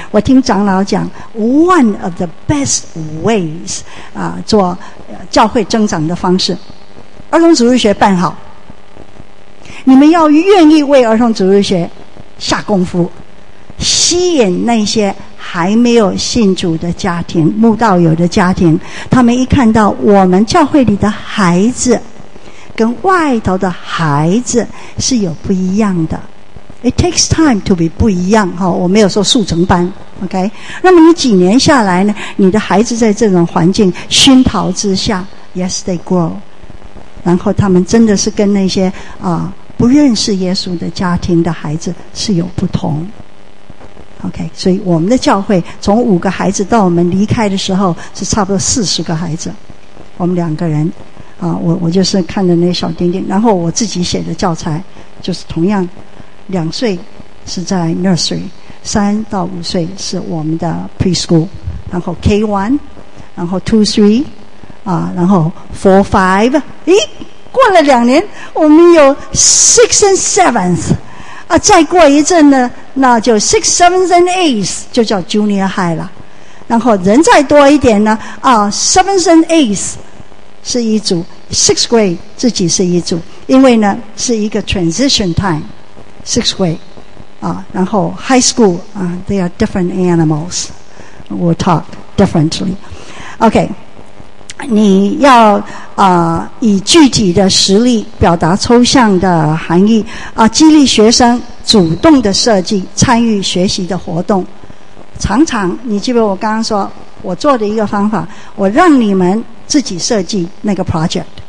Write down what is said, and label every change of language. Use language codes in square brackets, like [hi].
[zh] 我听长老讲 ， [en] one of the best ways [zh] 啊，做教会增长的方式，儿童主日学办好，你们要愿意为儿童主日学下功夫，吸引那些。还没有信主的家庭，慕道友的家庭，他们一看到我们教会里的孩子跟外头的孩子是有不一样的。 [en] It takes time to be [zh] 不一样，我没有说速成班 ,OK? 那么你几年下来呢，你的孩子在这种环境熏陶之下 , [en] yes, they grow. [zh] 然后他们真的是跟那些不认识耶稣的家庭的孩子是有不同。 OK, 所以我们的教会从五个孩子到我们离开的时候是差不多四十个孩子。我们两个人我就是看着那小丁丁，然后我自己写的教材就是同样两岁是在 nursery, 三到五岁是我们的 preschool, 然后 K1, 然后 2-3, 然后 4-5, 咦过了两年我们有 [en] 6th and 7th, [zh] 再过一阵呢那就 [en] 6th, 7th and 8th, [zh] 就叫 junior high 了。然后人再多一点呢 [en] 7th and 8th [zh] 是一组 , [en] 6th grade [zh] 自己是一组，因为呢是一个 [en] transition time,sixth grade, [zh] 然后 high school, [en] they are different animals. We'll talk differently. Okay. [zh] 你要以具体的实例表达抽象的含义激励学生主动的设计参与学习的活动。常常你记得我刚刚说我做的一个方法，我让你们自己设计那个 project。